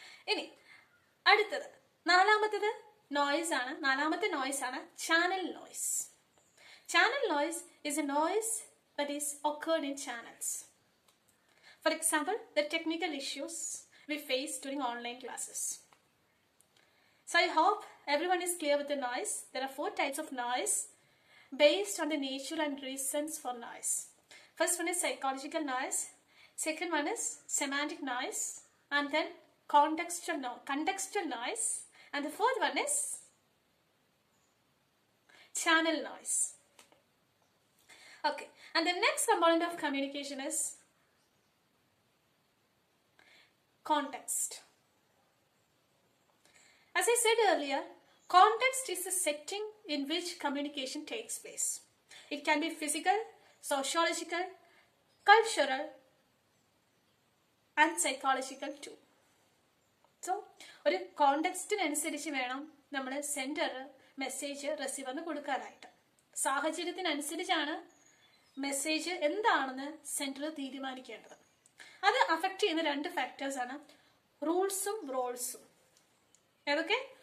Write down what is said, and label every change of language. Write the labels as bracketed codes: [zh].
[ml] ഇനി അടുത്തത്, നാലാമത്തേത് നോയ്സ് ആണ്. നാലാമത്തെ നോയ്സ് ആണ് channel noise. [en] Channel noise is a noise that is occurred in channels. For example, the technical issues we face during online classes. So I hope everyone is clear with the noise. There are four types of noise based on the nature and reasons for noise. First one is psychological noise. Second one is semantic noise. And then contextual noise. And the fourth one is channel noise. Okay. And the next component of communication is context. As I said earlier, context is the setting in which communication takes place. It can be physical, sociological, cultural, and psychological too. [ml] So, ഒരു കോണ്ടെക്സ്റ്റിന് അനുസരിച്ച് വേണം നമ്മൾ sender message റിസീവറിന് കൊടുക്കാനായിട്ട്. സാഹചര്യത്തിനനുസരിച്ചാണ് message എന്താണെന്ന് sender തീരുമാനിക്കേണ്ടത്. അത് affect ചെയ്യുന്ന രണ്ട് ഫാക്ടേഴ്സാണ് റൂൾസും റോൾസും. ഏതൊക്കെ?